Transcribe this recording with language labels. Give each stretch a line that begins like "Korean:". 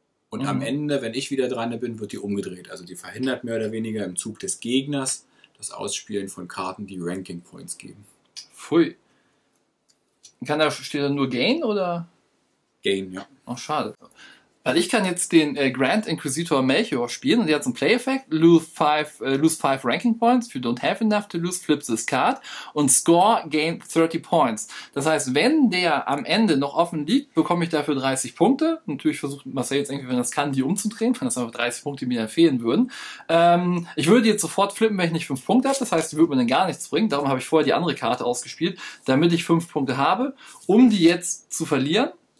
German: Und am Ende, wenn ich wieder dran bin, wird die umgedreht. Also die verhindert mehr oder weniger im Zug des Gegners das Ausspielen von Karten, die Ranking Points geben. Pfui. Kann da, steht da nur Gain oder? Gain, ja. Ach, schade. Weil ich kann jetzt den Grand Inquisitor Melchior spielen und der hat so einen Play-Effekt.
English: Lose 5 Ranking Points. If you don't have enough to lose, flip this card. Und score, gain 30 Points.
German: Das heißt, wenn der am Ende noch offen liegt, bekomme ich dafür 30 Punkte. Natürlich versucht Marcel jetzt irgendwie, wenn das kann, die umzudrehen, wenn das einfach 30 Punkte mir dann fehlen würden. Ich würde die jetzt sofort flippen, wenn ich nicht 5 Punkte habe. Das heißt, die würde mir dann gar nichts bringen. Darum habe ich vorher die andere Karte ausgespielt, damit ich 5 Punkte habe, um die jetzt zu verlieren.